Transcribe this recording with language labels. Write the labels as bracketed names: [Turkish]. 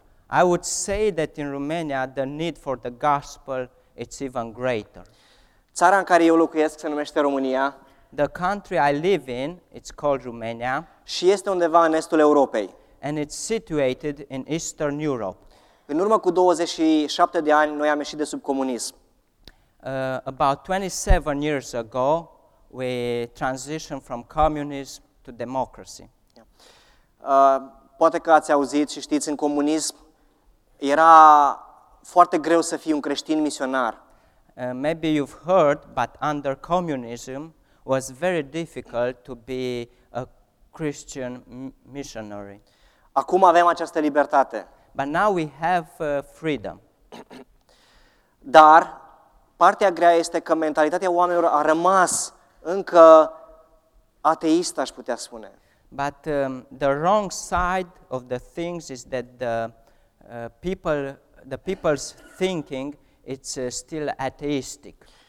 [English] I would say that in Romania the need for the gospel is even greater. [Romanian] Țara în care eu locuiesc se numește România. [English] The country I live in, it's called Romania. [Romanian] Și este undeva în estul Europei. [English] And it's situated in Eastern Europe. [Romanian] În urmă cu 27 de ani noi am ieșit de sub comunism. [English] About 27 years ago we transitioned from communism to democracy. [Romanian] Poate că ați auzit și știți, în comunism era foarte greu să fii un creștin misionar. [English] Maybe you've heard, but under communism was very difficult to be a Christian missionary. [Romanian] Acum avem această libertate. [English] But now we have freedom. [Romanian] Dar partea grea este că mentalitatea oamenilor a rămas încă ateistă, aș putea spune. [English] But the wrong side of the things is that the people's thinking it's still atheistic.